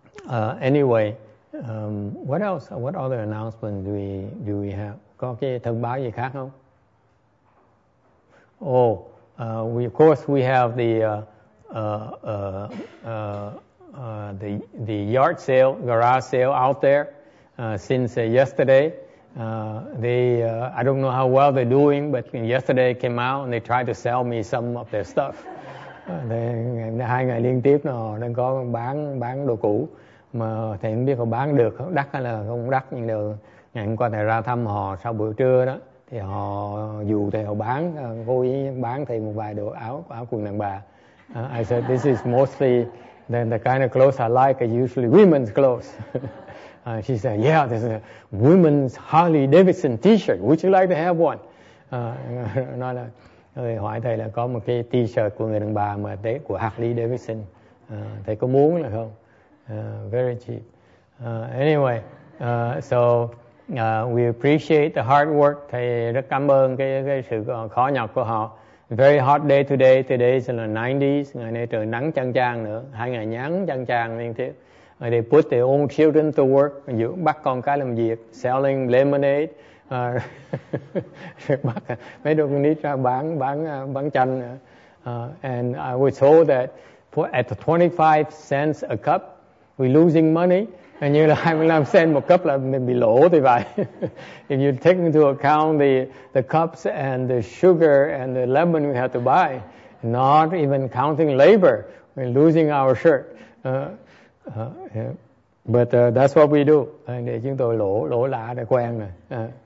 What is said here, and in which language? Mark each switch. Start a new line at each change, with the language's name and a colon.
English: Anyway, what else? What other announcement do we have?
Vietnamese: Có cái thông báo gì khác không? Oh.
English: We have the yard sale, garage sale out there since yesterday. I don't know how well they're doing, but yesterday came out and they tried to sell me some of their stuff.
Vietnamese: Hai ngày liên tiếp nó đang có bán đồ cũ. mà thầy không biết có bán được không, đắt hay là không đắt, nhưng đều ngày hôm qua thầy ra thăm họ sau buổi trưa đó, thì họ dù thầy họ bán, cô ý bán thầy một vài đồ áo quần đàn bà.
English: I said this is mostly then the kind of clothes I like are usually women's clothes. She said, yeah, there's a women's Harley Davidson t-shirt. Would you like to have one?
Vietnamese: Nói là, người hỏi thầy là có một cái t-shirt của người đàn bà mà tế của Harley Davidson. Thầy có muốn là không?
English: Very cheap. Anyway, so we appreciate the hard work.
Vietnamese: Thầy rất cảm ơn cái sự khó nhọc của họ.
English: Very hot day today. Today is the 90s.
Vietnamese: Ngày nay trời nắng chang chang nữa. Hai ngày nắng chang chang liên tiếp.
English: They put their own children to work,
Vietnamese: bắt con cái làm việc,
English: selling lemonade,
Vietnamese: bắt mấy đứa con nít ra bán chanh.
English: And I was told that for at 25 cents a cup, we're losing money.
Vietnamese: And như là 25 cent một cup là mình bị lỗ thì phải.
English: If you take into account the cups and the sugar and the lemon we have to buy, not even counting labor, we're losing our shirt. Yeah. But that's what we do.
Vietnamese: Để chúng tôi lỗ lá để quen này.